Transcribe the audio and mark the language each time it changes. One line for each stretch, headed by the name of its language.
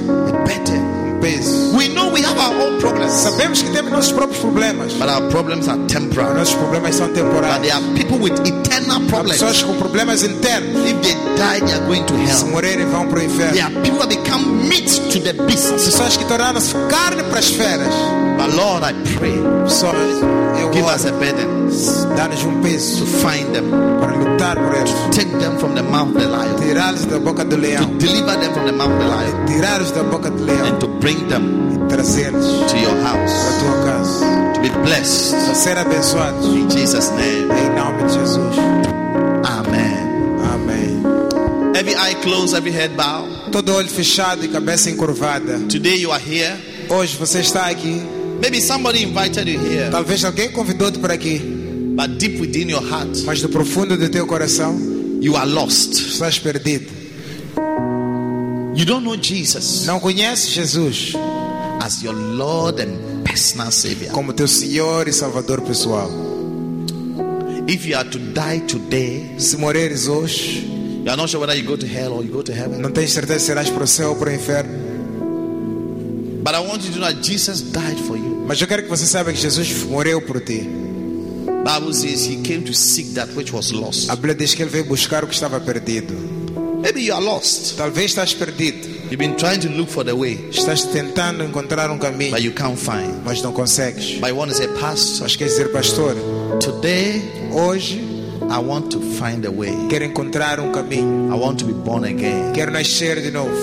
English: A burden.
Portuguese: Peso.
English: We know we have our own problems.
Portuguese: Sabemos que temos nossos próprios problemas.
English: But our problems are temporary.
Portuguese: Nossos problemas são temporários.
English: But there are people with eternal problems.
Portuguese: Pessoas com problemas internos.
English: If they die, they are going to hell.
Portuguese: Se morrerem, vão para o inferno.
English: There are people that become meat to the beasts.
Portuguese: Pessoas que tornaram-se carne para as feras.
English: But Lord, I pray.
Portuguese: Pessoas,
English: give us a burden.
Portuguese: Dá-nos peso.
English: To find them.
Portuguese: Para lutar por eles.
English: To take them from the mouth of the lion.
Portuguese: Tirá-los da boca do leão.
English: To deliver them from the mouth of the lion.
Portuguese: Tirá-los da boca do leão.
English: And to bring them.
Portuguese: E trazê-los.
English: To your house.
Portuguese: Para tua casa.
English: To be blessed.
Portuguese: Para ser abençoados.
English: In Jesus' name.
Portuguese: Em nome de Jesus. Amém. Amém.
English: Every eye closed, every head bowed.
Portuguese: Todo olho fechado e cabeça encurvada.
English: Today you are here.
Portuguese: Hoje você está aqui.
English: Maybe somebody invited you here.
Portuguese: Talvez alguém convidou-te para aqui.
English: But deep within your heart,
Portuguese: mas do profundo do teu coração,
English: you are lost.
Portuguese: Estás perdido.
English: You don't know Jesus.
Portuguese: Não conheces Jesus
English: as your Lord and personal Savior.
Portuguese: Como teu Senhor e Salvador pessoal.
English: If you are to die today,
Portuguese: se morreres hoje,
English: you are not sure whether you go to hell or you go to heaven.
Portuguese: Não tens certeza se irás para o céu ou para o inferno.
English: But I want you to know that Jesus died for you.
Portuguese: Mas eu quero que você saiba que Jesus morreu por ti.
English: Bible says he came to seek that which was lost.
Portuguese: A Bíblia diz que ele veio buscar o que estava perdido.
English: Maybe you are lost.
Portuguese: Talvez estás perdido.
English: You've been trying to look for the way.
Portuguese: Estás tentando encontrar caminho.
English: But you can't find.
Portuguese: Mas não consegues.
English: But I want to say, pastor.
Portuguese: Mas quer dizer, pastor.
English: Today,
Portuguese: hoje,
English: I want to find a way.
Portuguese: Quero encontrar caminho.
English: I want to be born again.
Portuguese: Quero nascer de novo.